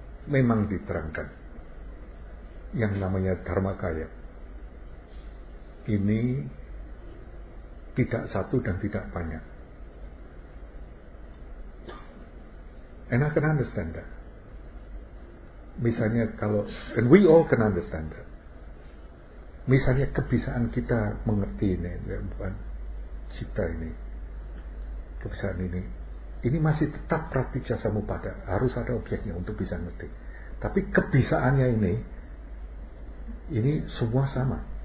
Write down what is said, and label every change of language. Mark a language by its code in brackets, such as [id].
[id] Memang diterangkan yang namanya Dharmakaya ini tidak satu dan tidak banyak. [en] And I can understand that. [id] Misalnya kalau, [en] and we all can understand that. [id] Misalnya kebiasaan kita mengerti ini, bukan cipta ini, kebiasaan ini, ini masih tetap pratijja samuppada, harus ada objeknya untuk bisa ngerti. Tapi kebiasaannya ini semua sama.